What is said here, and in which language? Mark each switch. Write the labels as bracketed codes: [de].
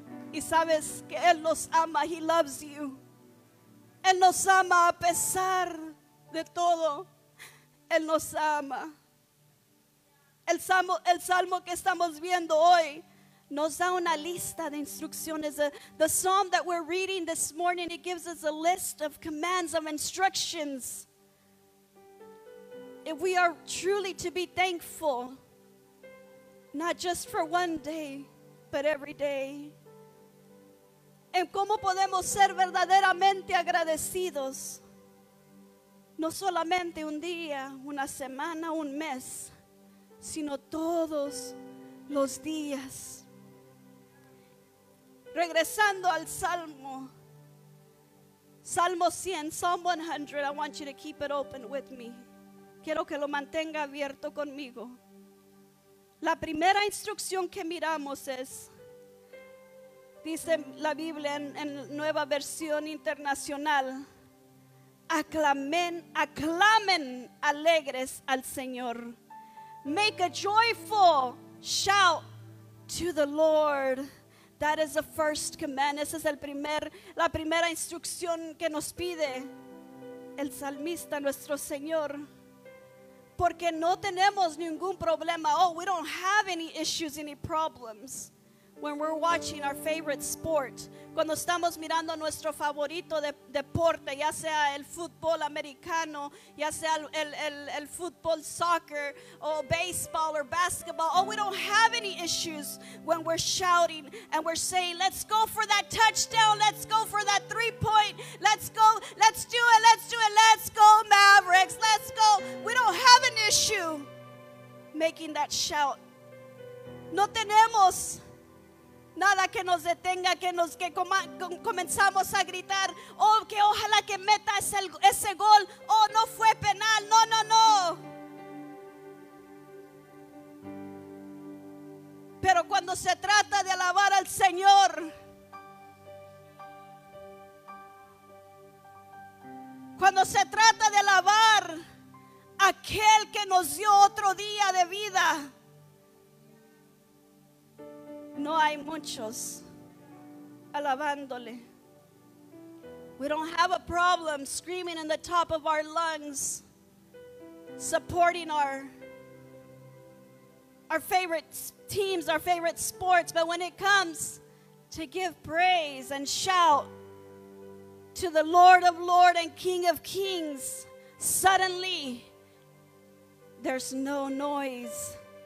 [es] Y sabes que Él nos ama. [en] He loves you. [es] Él nos ama a pesar de todo. Él nos ama. El salmo que estamos viendo hoy nos da una lista de instrucciones. [en] The psalm that we're reading this morning, it gives us a list of commands, of instructions. If we are truly to be thankful, not just for one day, but every day. [es] En cómo podemos ser verdaderamente agradecidos. No solamente un día, una semana, un mes, sino todos los días. Regresando al Salmo. Salmo 100, [en] Psalm 100, I want you to keep it open with me. [es] Quiero que lo mantenga abierto conmigo. La primera instrucción que miramos es, dice la Biblia en Nueva Versión Internacional, aclamen alegres al Señor. [en] Make a joyful shout to the Lord. That is the first command. [es] Esa es la primera instrucción que nos pide el salmista, nuestro Señor. Porque no tenemos ningún problema. [en] Oh, we don't have any issues, any problems when we're watching our favorite sport. [es] Cuando estamos mirando nuestro favorito deporte, ya sea el fútbol americano, ya sea el fútbol soccer, o baseball [en] or basketball. Oh, we don't have any issues when we're shouting and we're saying, let's go for that touchdown, let's go for that 3-point, let's do it, let's go Mavericks, let's go. We don't have an issue making that shout. [es] No tenemos nada que nos detenga, que comenzamos a gritar, oh, que ojalá que meta ese gol, oh, no fue penal, no. Pero cuando se trata de alabar al Señor, cuando se trata de alabar aquel que nos dio otro día de vida, no hay muchos alabándole. [en] We don't have a problem screaming in the top of our lungs, supporting our favorite teams, our favorite sports. But when it comes to give praise and shout to the Lord of Lords and King of Kings, suddenly there's no noise.